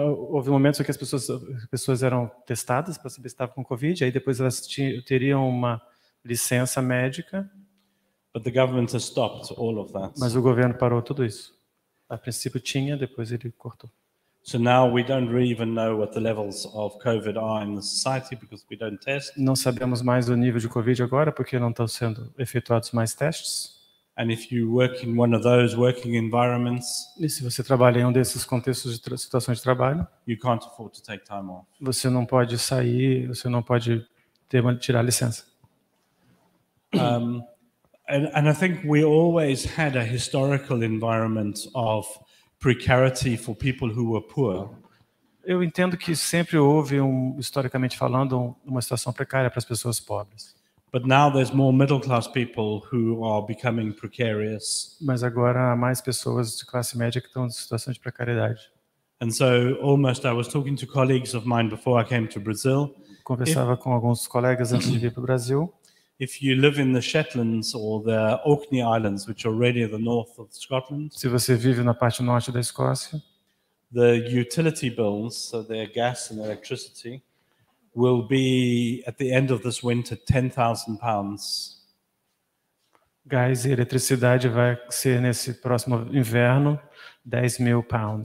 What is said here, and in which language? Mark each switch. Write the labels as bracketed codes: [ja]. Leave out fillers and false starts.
[pt] Houve momentos em que as pessoas eram testadas para saber se estavam com COVID, aí depois elas teriam uma licença médica. [en] But the government has stopped all of that. [pt] Mas o governo parou tudo isso. A princípio tinha, depois ele cortou. [en] So now we don't really even know what the levels of COVID are in the society because we don't test. [pt] Não sabemos mais o nível de COVID agora porque não estão sendo efetuados mais testes. [en] And if you work in one of those working environments, [pt] e se você trabalha em um desses contextos de situações de trabalho, [en] you can't afford to take time off. [pt] Você não pode sair, você não pode tirar licença. [en] And I think we always had a historical environment of precarity for people who were poor. [pt] Eu entendo que sempre houve historicamente falando, uma situação precária para as pessoas pobres. [en] But now there's more middle class people who are becoming precarious. [pt] Mas agora há mais pessoas de classe média que estão em situação de precariedade. [en] And so almost I was talking to colleagues of mine before I came to Brazil. [pt] Conversava com alguns colegas antes de vir para o Brasil. [en] If you live in the Shetlands or the Orkney Islands, which are really the north of Scotland, [pt] se você vive na parte norte da Escócia, [en] the utility bills, so their gas and electricity, will be at the end of this winter £10,000. [pt] Gás e eletricidade vai ser nesse próximo inverno £10,000.